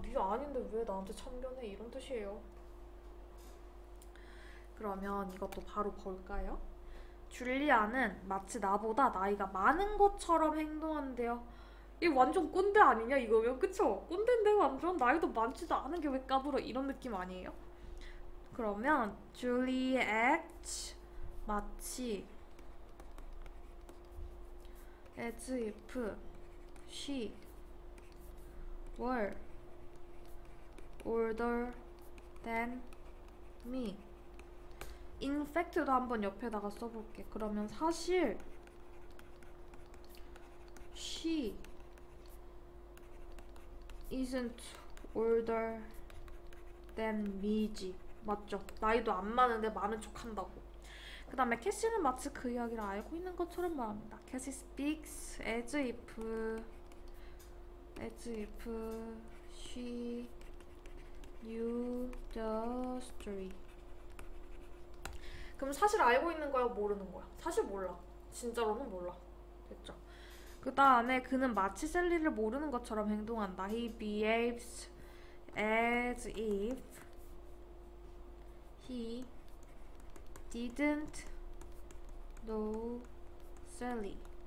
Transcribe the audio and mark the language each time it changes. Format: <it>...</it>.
<ko>네 아닌데 왜 나한테 참견해? 이런 뜻이에요. 그러면 이것도 바로 볼까요? 줄리아는 마치 나보다 나이가 많은 것처럼 행동한대요. 이게 완전 꼰대 아니냐 이거면? 그쵸? 꼰대인데 완전 나이도 많지도 않은 게 왜 까불어? 이런 느낌 아니에요? 그러면</ko> <en>Juliet</en> <ko>마치</ko> <en>as if she were older than me.</en> <ko>In fact도 한번 옆에다가 써볼게. 그러면 사실</ko> <en>she isn't older than me</en> <ko>지. 맞죠? 나이도 안 많은데 많은 척한다고. 그 다음에 캐시는 마치 그 이야기를 알고 있는 것처럼 말합니다.</ko> <en>캐시 speaks as if she knew the story.</en> <ko>그럼 사실 알고 있는 거야 모르는 거야? 사실 몰라. 진짜로는 몰라. 됐죠? 그 다음에 그는 마치 셀리를 모르는 것처럼 행동한다.</ko> <en>He behaves as if he didn't No, Sally.</en>